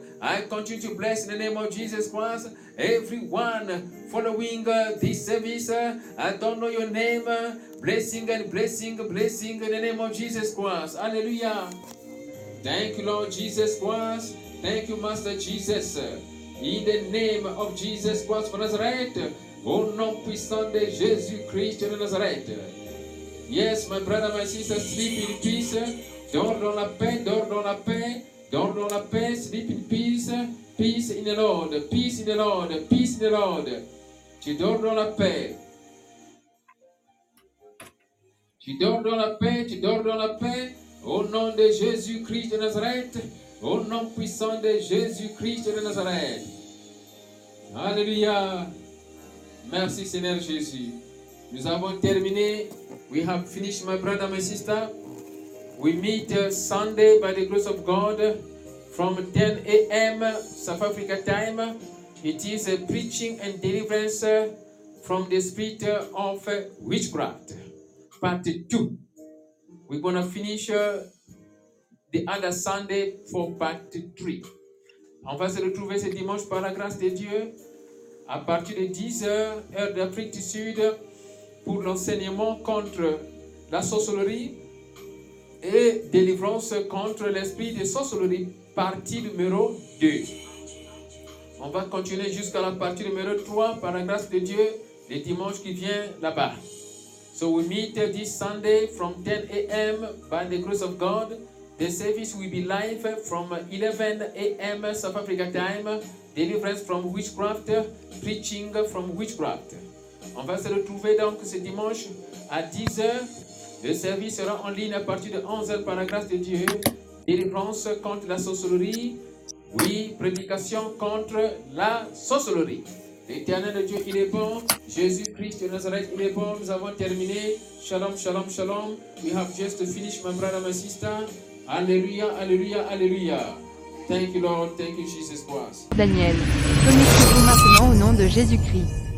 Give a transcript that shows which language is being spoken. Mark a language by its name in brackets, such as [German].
[English] I continue to bless in the name of Jesus Christ. Everyone following this service. I don't know your name. Blessing and blessing, blessing in the name of Jesus Christ. Hallelujah. Thank you, Lord Jesus Christ. Thank you, Master Jesus. In the name of Jesus Christ for Nazareth. [French] Au nom puissant de Jésus-Christ de Nazareth. [English] Yes, my brother, my sister, sleep in peace. [French] Dors dans la paix, dors dans la paix. Dors dans la paix, [English] sleep in peace. Peace in the Lord, peace in the Lord, peace in the Lord. [French] Tu dors dans la paix. Tu dors dans la paix, tu dors dans la paix. Au nom de Jésus-Christ de Nazareth. Au nom puissant de Jésus-Christ de Nazareth. Alléluia. Merci Seigneur Jésus. Nous avons terminé. [English] We have finished, my brother, my sister. We meet Sunday by the grace of God from 10 a.m. South Africa time. It is a preaching and deliverance from the spirit of witchcraft. Part 2. We're going to finish the other Sunday for part 3. [French] On va se retrouver ce dimanche par la grâce de Dieu à partir de 10h, heure d'Afrique du Sud, pour l'enseignement contre la sorcellerie et délivrance contre l'esprit de sorcellerie, partie numéro 2. On va continuer jusqu'à la partie numéro 3 par la grâce de Dieu, le dimanche qui vient là-bas. [English] So we meet this Sunday from 10 a.m. by the grace of God. The service will be live from 11 a.m. South Africa time. Deliverance from witchcraft, preaching from witchcraft. [French] On va se retrouver donc ce dimanche à 10h. Le service sera en ligne à partir de 11h par la grâce de Dieu. Délivrance contre la sorcellerie. Oui, prédication contre la sorcellerie. L'Éternel de Dieu, il est bon. Jésus-Christ de Nazareth, il est bon. Nous avons terminé. [Hebrew] Shalom, shalom, shalom. [English] We have just finished, my brother and my sister. Alléluia, alléluia, alléluia. Thank you, Lord. Thank you, Jesus Christ. [French] Daniel, connaissez-vous maintenant au nom de Jésus-Christ.